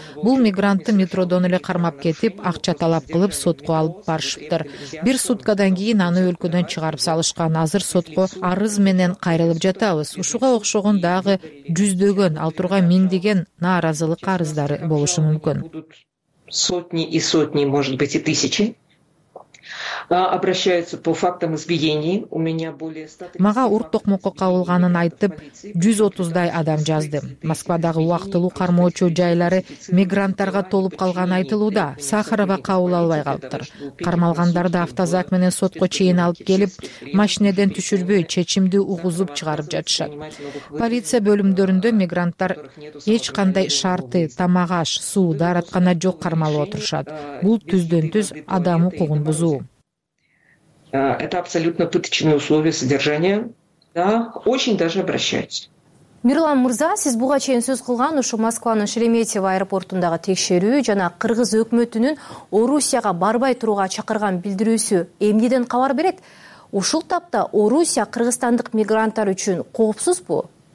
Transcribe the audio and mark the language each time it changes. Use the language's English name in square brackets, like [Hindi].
[Kyrgyz] Бул мигрантты метродон эле кармап кетип, акча талап кылып сотко алып барышыптыр. Бир суткадан кийин аны өлкөдөн чыгарып салышкан. Азыр сотко арыз менен кайрылып жатабыз. Ушуга окшогон дагы жүздөгөн, ал тургай миңдеген нааразылык арыздары болушу мүмкүн. [Russian] Сотни и сотни, может быть, и тысячи. обращаются по фактам избиений. У меня более 100. [Kyrgyz] Мага урттук мукка алганын айтып 130 дай адам жазды. Москвадагы уактылуу кармоочу жайлары мигранттарга толуп калганы айтылууда. Сахарова кабыл албай калыптыр. Кармалгандарды автозак менен сотко чейин алып келип, машинеден түшүрбөй чечимди угузуп чыгарып жатышат. Полиция бөлүмдөрүндө мигранттар эч кандай шарты, тамак аш, суу, дааратканада жок кармалып отурушат. Бул түздөн-түз адам укугун бузуу. [Russian] Это абсолютно пыточные условия содержания. Да, очень даже обращаются. [Kyrgyz] Мирлан Мырза, сиз буга чейин сөз кылган ушу Москванын Шереметьево аэропортундагы текшерүү жана кыргыз өкмөтүнүн Орусияга барбай турууга чакырган билдирүүсү эмнеден кабар берет? Ушул тапта Орусия кыргызстандык мигранттар үчүн коопсузбу?